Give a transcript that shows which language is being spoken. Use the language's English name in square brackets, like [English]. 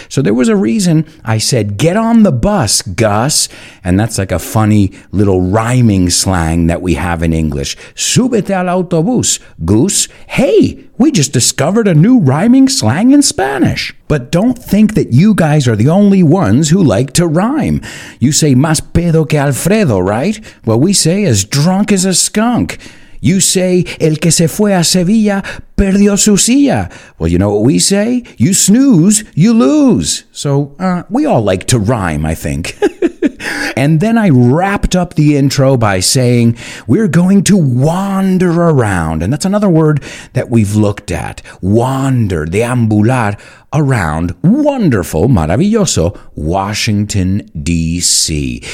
[English] So there was a reason I said, get on the bus, Gus. And that's like a funny little rhyming slang that we have in English. [Spanish] Súbete al autobús, [English] goose. Hey, we just discovered a new rhyming slang in Spanish. But don't think that you guys are the only ones who like to rhyme. You say [Spanish] más pedo que Alfredo, [English] right? Well, we say as drunk as a skunk. You say, [Spanish] el que se fue a Sevilla perdió su silla. [English] Well, you know what we say? You snooze, you lose. So we all like to rhyme, I think. And then I wrapped up the intro by saying, we're going to wander around. And that's another word that we've looked at. Wander, deambular around wonderful, maravilloso Washington, D.C.